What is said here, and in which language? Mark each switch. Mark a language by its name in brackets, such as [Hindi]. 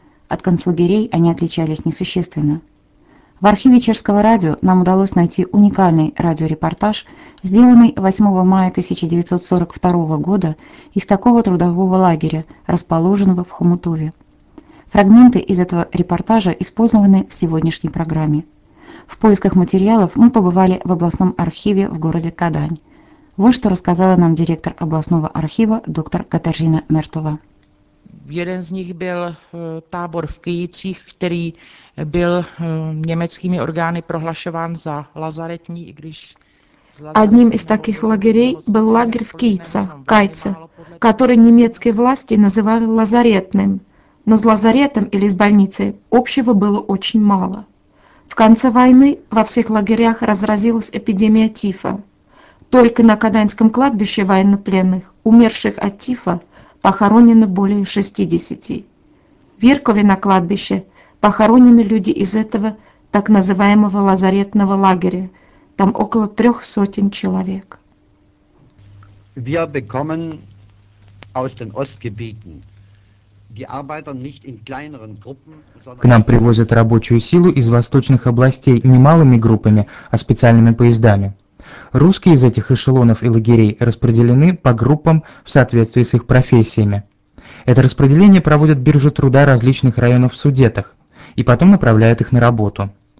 [Russian] От концлагерей они отличались несущественно. В архиве Чешского радио нам удалось найти уникальный радиорепортаж, сделанный 8 мая 1942 года из такого трудового лагеря, расположенного в Хомутове. Фрагменты из этого репортажа использованы в сегодняшней программе. В поисках материалов мы побывали в областном архиве в городе Кадань. Вот что рассказала нам директор областного архива доктор Катерина Мертова. [Czech] Jeden z nich byl tábor v Kyjicích, který byl německými orgány prohlašován za lazaretní, i když [Russian] Одним из таких лагерей был лагерь в Кайце, который немецкие власти называли лазаретным. Но с лазаретом или с больницей общего было очень мало. В конце войны во всех лагерях разразилась эпидемия тифа. Только на Каданском кладбище военнопленных, умерших от тифа, похоронено более 60. В Иркове на кладбище похоронены люди из этого так называемого лазаретного лагеря. Там около 300 человек. [German] Wir bekommen aus den Ostgebieten. [Russian] К нам привозят рабочую силу из восточных областей не малыми группами, а специальными поездами. Русские из этих эшелонов и лагерей распределены по группам в соответствии с их профессиями. Это распределение проводят биржи труда различных районов в Судетах и потом направляют их на работу.